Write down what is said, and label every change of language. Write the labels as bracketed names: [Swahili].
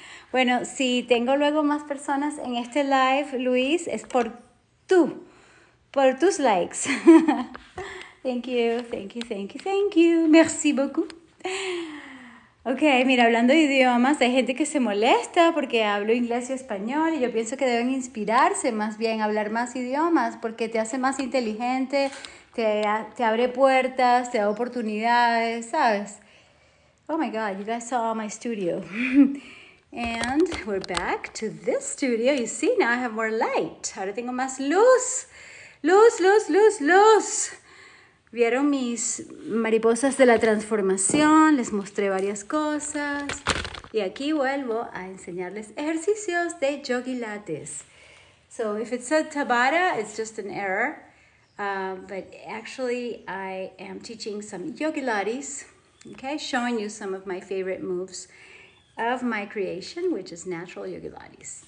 [Spanish] Bueno, si tengo luego más personas en este live, Luis, es por tú. Por tus likes. [English] Thank you, thank you, thank you, thank you. [French] Merci beaucoup. [Spanish] Okay, mira, hablando de idiomas, hay gente que se molesta porque hablo inglés y español y yo pienso que deben inspirarse más bien a hablar más idiomas porque te hace más inteligente, te abre puertas, te da oportunidades, ¿sabes? [English] Oh my God, you guys saw my studio. And we're back to this studio. You see, now I have more light. [Spanish] Ahora tengo más luz. Luz, luz, luz, luz. Vieron mis mariposas de la transformación, les mostré varias cosas. Y aquí vuelvo a enseñarles ejercicios de yogilates. [English] So if it said Tabata, it's just an error. But actually I am teaching some yogilates. Okay, showing you some of my favorite moves of my creation, which is natural yogilates.